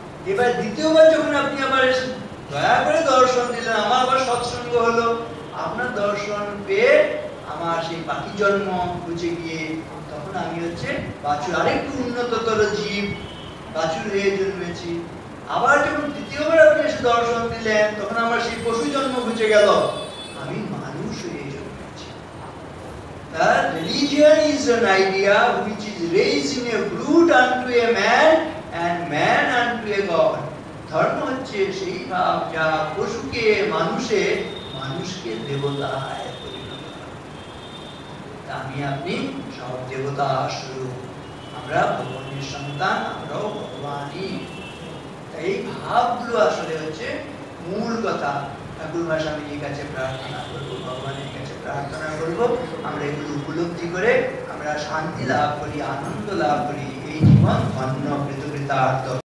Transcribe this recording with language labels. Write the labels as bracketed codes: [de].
[bn] এবার দ্বিতীয়বার যখন আপনি আবার দয়া করে দর্শন দিলেন আমার আবার সৎসঙ্গ হলো, আপনার দর্শন পেয়ে আমার সেই পাখি জন্ম ঘুচে গিয়ে তখন আমি হচ্ছে বাছুর আরেকটু উন্নততর জীব বাছুর হয়ে জন্মেছি। আবার যখন তৃতীয়বার আপনি এসে দর্শন দিলেন তখন আমার সেই পশু জন্ম ঘুচে গেল, আমি মানুষ হয়ে জন্মেছি। [en] Religion is an idea which is raised in a brute unto a man and man unto a god. [bn] धर्म হচ্ছে সেই ভাব যা পশুকে মানুষে মানুষকে দেবতায় পরিণত করে। আমি আপনি সব দেবতা স্বরূপ, আমরা ভগবানের সন্তান, আমরাও ভগবানই। এই ভাবগুলো আসলে হচ্ছে মূল কথা। ঠাকুর মহাশয়ের কাছে প্রার্থনা করবো, ভগবানের কাছে প্রার্থনা করবো, আমরা এগুলো উপলব্ধি করে আমরা শান্তি লাভ করি, আনন্দ লাভ করি, এই জীবন ধন্য কৃতকৃতার্থ।